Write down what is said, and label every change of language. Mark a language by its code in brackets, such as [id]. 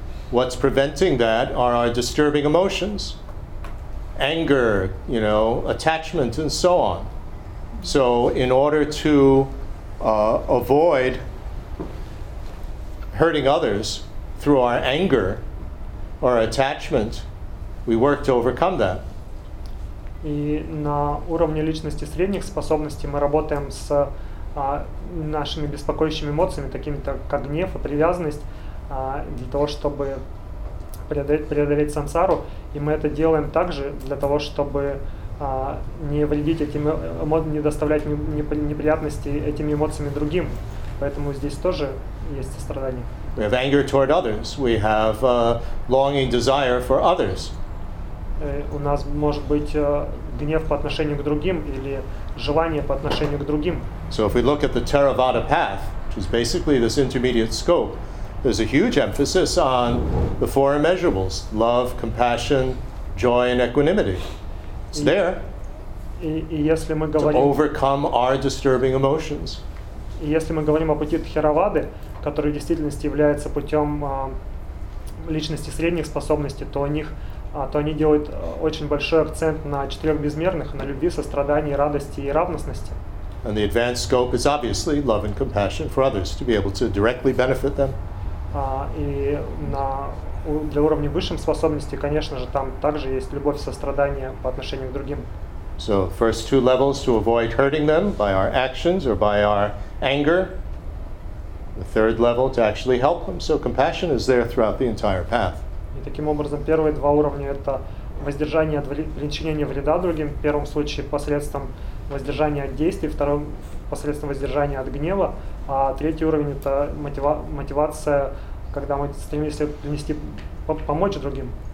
[en] What's preventing that are our disturbing emotions, anger, you know, attachment, and so on. So in order to avoid hurting others through our anger or attachment, we work to overcome that. [ru] И на уровне личности средних способностей мы работаем с нашими беспокоящими эмоциями, такими как гнев и привязанность, для того, чтобы преодолеть сансару. И мы это делаем также для того, чтобы не вредить этим эмоциям, не доставлять неприятности этими эмоциями другим. Поэтому здесь тоже есть сострадание. [en] We have anger toward others. We have longing desire for others. [ru] У нас может быть гнев по отношению к другим или желание по отношению к другим. [en] So if we look at the Theravada path, which is basically this intermediate scope, there's a huge emphasis on the four immeasurables: love, compassion, joy, and equanimity. It's there. [ru] И если мы говорим, [en] to overcome our disturbing emotions. [ru] И если мы говорим о пути Theravada, который в действительности является путем личности средних способностей, то у них то они делают очень большой акцент на четырех безмерных, на любви, сострадании, радости и равностности. [en] And the advanced scope is obviously love and compassion for others, to be able to directly benefit them. [ru] И на для уровня высшим способностей, конечно же, там также есть любовь, сострадание по отношению к другим. [en] So first two levels to avoid hurting them by our actions or by our anger. The third level to actually help them. So compassion is there throughout the entire path. [ru] И таким образом, первые два уровня — это воздержание от причинения вреда другим, в первом случае посредством воздержания от действий, в втором — посредством воздержания от гнева, а третий уровень — это мотивация, когда мы стремимся принести, помочь другим.